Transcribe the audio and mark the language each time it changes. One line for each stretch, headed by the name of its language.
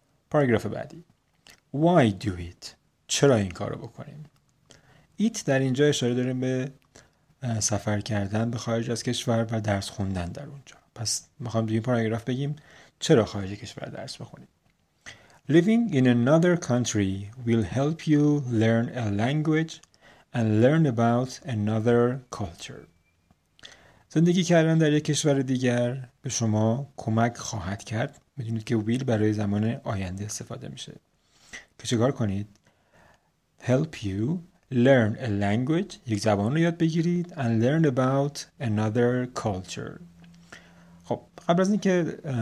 Persian: پاراگراف بعدی.
English: Why do it؟
Persian: چرا این کار رو بکنیم؟ It در اینجا اشاره داریم به سفر کردن به خارج از کشور و درس خوندن در اونجا. پس میخوام دیگه پاراگراف بگیم چرا خارج کشور درس بخونیم.
English: Living in another country will help you learn a language and learn about another culture.
Persian: زندگی کردن در یک کشور دیگر به شما کمک خواهد کرد. میدونید که will برای زمان آینده استفاده میشه. که چیکار کنید؟
English: Help you learn a language،
Persian: یک زبان رو یاد بگیرید،
English: and learn about another culture.
Persian: خب قبل از اینکه